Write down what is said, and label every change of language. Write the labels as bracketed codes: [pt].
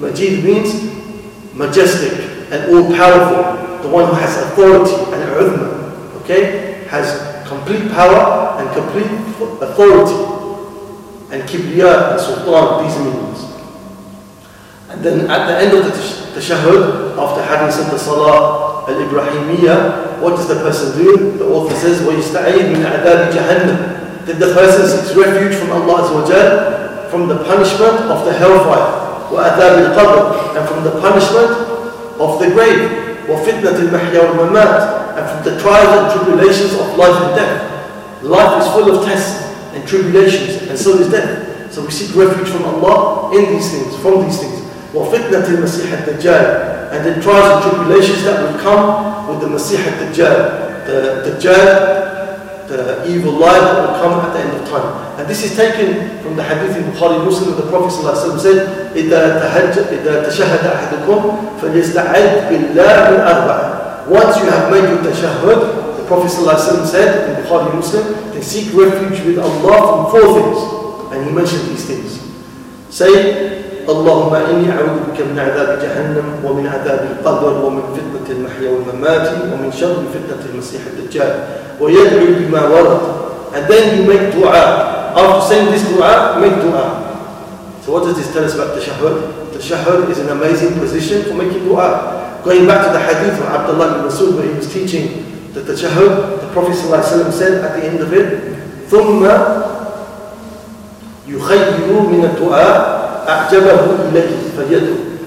[en] Majid means majestic and all-powerful, the one who has authority and uthma, okay? Has complete power and complete authority and kibriya and sultan, these meanings. And then at the end of the tashahud, after having said the salah al-Ibrahimiyya, what does the person do? The author says, [ar] وَيُسْتَعِيدْ مِنْ عَذَابِ جَهَنَّمْ. [en] Then the person seeks refuge from Allah from the punishment of the hellfire, [ar] وَأَذَابِ الْقَبْرِ, [en] and from the punishment of the grave, [ar] وَفِتْنَةِ الْمَحْيَا وَالْمَمَاتِ, [en] and from the trials and tribulations of life and death. Life is full of tests and tribulations, and so is death. So we seek refuge from Allah in these things, from these things. [ar] وَفِتْنَةِ الْمَسِيحَ الدَّجَّالِ, [en] and the trials and tribulations that will come with the Masih al-Dajjal, the Dajjal, the evil life that will come at the end of time. And this is taken from the hadith in Bukhari Muslim where the Prophet said, [ar] إِذَا تَشَهَدَ أَحَدُكُمْ فَلْيَسْتَعِذْ بِاللَّهِ مِنْ أَرْبَعٍ. [en] Once you have made your tashahud, the Prophet said in Bukhari Muslim, then seek refuge with Allah from four things. And he mentioned these things. Say, [ar] اللهم إني أعوذ بك من عذاب جهنم ومن عذاب القبر ومن فتنة المحيا والممات ومن شر فتنة المسيح الدجال ويدعو بما ورد. [en] And then you make dua. After saying this dua, make dua. So what does this tell us about tashahud? Tashahud is an amazing position for making dua. Going back to the hadith of Abdullah ibn Masud where he was teaching the tashahud, the Prophet صلى الله عليه وسلم said at the end of it, [ar] ثم يخير من الدعاء أعجبه إليه فليدعو.